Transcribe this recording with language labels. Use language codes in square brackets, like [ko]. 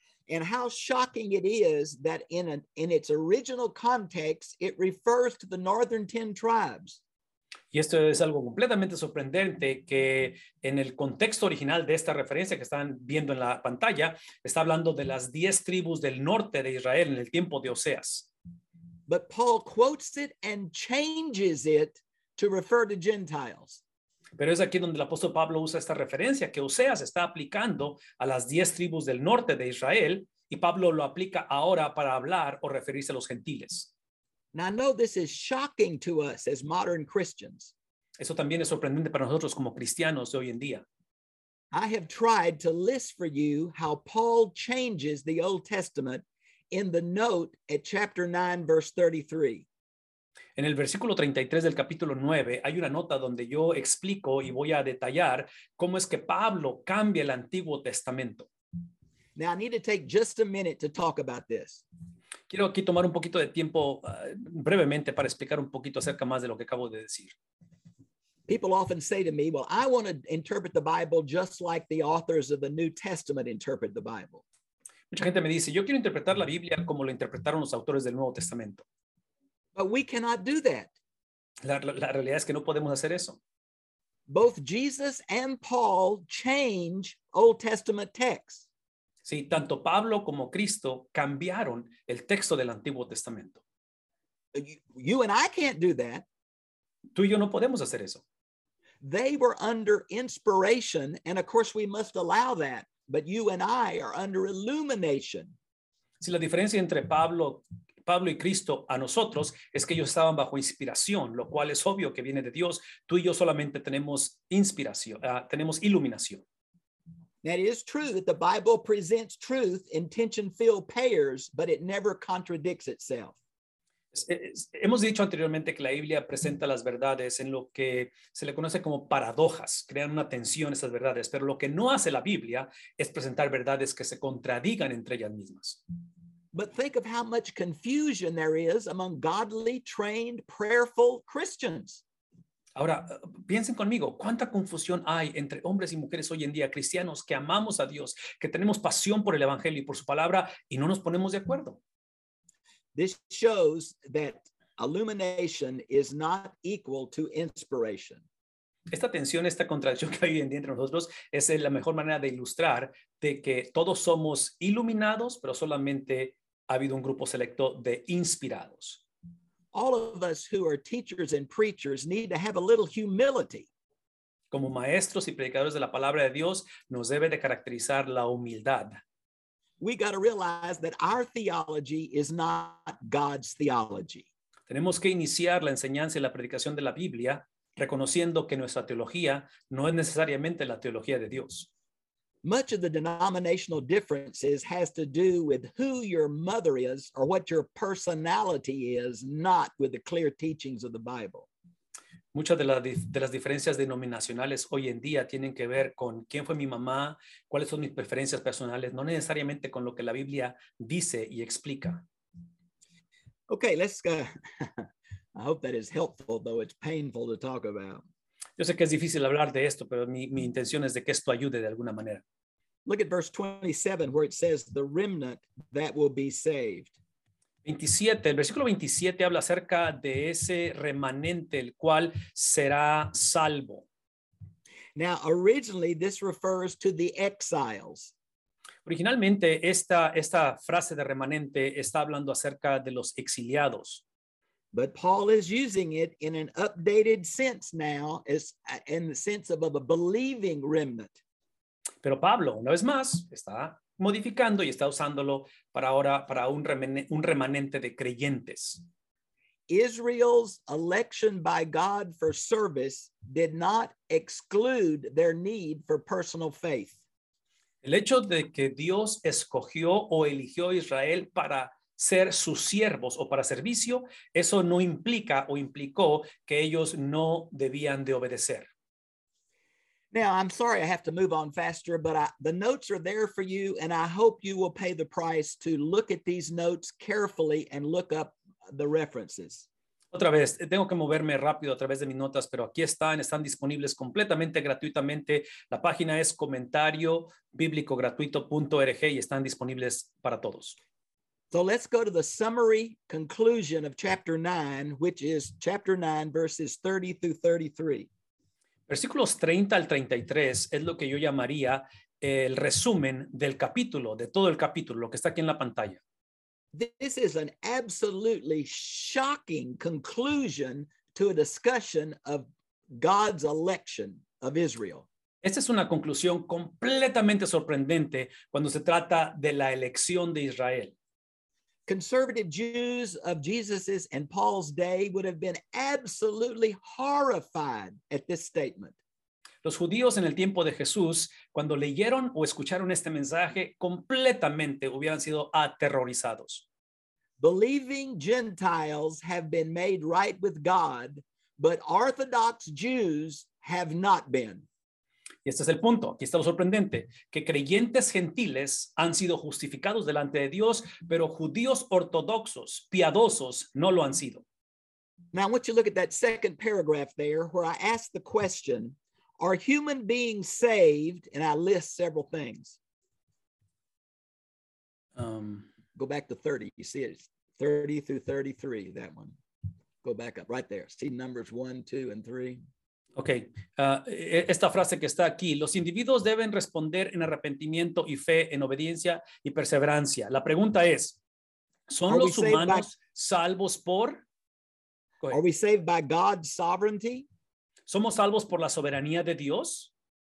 [en] And how shocking it is that in its original context, it refers to the northern 10 tribes. [es] Y esto es algo completamente sorprendente que en el contexto original de esta referencia que están viendo en la pantalla, está hablando de las 10 tribus del norte de Israel en el tiempo de Oseas. [en] But Paul quotes it and changes it to refer to Gentiles. [es] Pero es aquí donde el apóstol Pablo usa esta referencia que Oseas está aplicando a las 10 tribus del norte de Israel y Pablo lo aplica ahora para hablar o referirse a los gentiles. [en] Now, I know this is shocking to us as modern Christians. [es] Eso también es sorprendente para nosotros como cristianos de hoy en día. [en] I have tried to list for you how Paul changes the Old Testament in the note at chapter 9, verse 33. [es] En el versículo 33 del capítulo 9 hay una nota donde yo explico y voy a detallar cómo es que Pablo cambia el Antiguo Testamento. [en] Now I need to take just a minute to talk about this. [es] Quiero aquí tomar un poquito de tiempo brevemente para explicar un poquito acerca más de lo que acabo de decir. [en] People often say to me, well, I want to interpret the Bible just like the authors of the New Testament interpret the Bible. [es] Mucha gente me dice, yo quiero interpretar la Biblia como lo interpretaron los autores del Nuevo Testamento. [en] But we cannot do that. [es] La realidad es que no podemos hacer eso. [en] Both Jesus and Paul change Old Testament texts. [es] Sí, tanto Pablo como Cristo cambiaron el texto del Antiguo Testamento. [en] You and I can't do that. [es] Tú y yo no podemos hacer eso. [en] They were under inspiration, and of course we must allow that, but you and I are under illumination. [es] Sí, la diferencia entre Pablo y Cristo a nosotros es que ellos estaban bajo inspiración, lo cual es obvio que viene de Dios. Tú y yo solamente tenemos inspiración, tenemos iluminación. [en] That is true that the Bible presents truth in tension-filled pairs, but it never contradicts itself. [es] Hemos dicho anteriormente que la Biblia presenta las verdades en lo que se le conoce como paradojas, crean una tensión esas verdades, pero lo que no hace la Biblia es presentar verdades que se contradigan entre ellas mismas. [en] But think of how much confusion there is among godly, trained, prayerful Christians. [es] Ahora, piensen conmigo, ¿cuánta confusión hay entre hombres y mujeres hoy en día, cristianos que amamos a Dios, que tenemos pasión por el Evangelio y por su palabra, y no nos ponemos de acuerdo? [en] This shows that illumination is not equal to inspiration. [es] Esta tensión, esta contradicción que hay hoy en día entre nosotros es la mejor manera de ilustrar de que todos somos iluminados, pero solamente ha habido un grupo selecto de inspirados. [en] All of us who are teachers and preachers need to have a little humility. [es] Como maestros y predicadores de la palabra de Dios, nos debe de caracterizar la humildad. [en] We got to realize that our theology is not God's theology. [es] Tenemos que iniciar la enseñanza y la predicación de la Biblia reconociendo que nuestra teología no es necesariamente la teología de Dios. [en] Much of the denominational differences has to do with who your mother is or what your personality is, not with the clear teachings of the Bible. [es] Muchas de las diferencias denominacionales hoy en día tienen que ver con quién fue mi mamá, cuáles son mis preferencias personales, no necesariamente con lo que la Biblia dice y explica. [en] Okay, let's go. I hope that is helpful, though it's painful to talk about. [es] Yo sé que es difícil hablar de esto, pero mi intención es de que esto ayude de alguna manera. [en] Look at verse 27, where it says, the remnant that will be saved. [es] 27, el versículo 27 habla acerca de ese remanente, el cual será salvo. [en] Now, originally, this refers to the exiles. [es] Originalmente, esta frase de remanente está hablando acerca de los exiliados. [en] But Paul is using it in an updated sense now, as in the sense of a believing remnant. [es] Pero Pablo, una vez más, está modificando y está usándolo para ahora para un remanente de creyentes. [en] Israel's election by God for service did not exclude their need for personal faith. [es] El hecho de que Dios escogió o eligió a Israel para ser sus siervos o para servicio, eso no implica o implicó que ellos no debían de obedecer. [en] Now, I'm sorry I have to move on faster, but the notes are there for you, and I hope you will pay the price to look at these notes carefully and look up the references. [es] Otra vez, tengo que moverme rápido a través de mis notas, pero aquí están disponibles completamente gratuitamente. La página es comentariobiblicogratuito.org y están disponibles para todos. [en] So let's go to the summary conclusion of chapter 9, which is chapter 9, verses 30 through 33. [es] Versículos 30 al 33 es lo que yo llamaría el resumen del capítulo, de todo el capítulo, lo que está aquí en la pantalla. [en] This is an absolutely shocking conclusion to a discussion of God's election of Israel. [es] Esta es una conclusión completamente sorprendente cuando se trata de la elección de Israel. [en] Conservative Jews of Jesus's and Paul's day would have been absolutely horrified at this statement. [es] Los judíos en el tiempo de Jesús, cuando leyeron o escucharon este mensaje, completamente hubieran sido aterrorizados. [en] Believing Gentiles have been made right with God, but Orthodox Jews have not been. [es] Y este es el punto, aquí está lo sorprendente, que creyentes gentiles han sido justificados delante de Dios, pero judíos ortodoxos, piadosos, no lo han sido. [en] Now, I want you to look at that second paragraph there, where I ask the question, are human beings saved? And I list several things. Go back to 30, you see it, 30 through 33, that one. Go back up, right there, see numbers 1, 2, and 3. [es] Okay, esta frase que está aquí, los individuos deben responder en arrepentimiento y fe, en obediencia y perseverancia. La pregunta es, ¿son los humanos salvos por? [en] Are we saved by God's sovereignty? [es] ¿Somos salvos por la soberanía de Dios?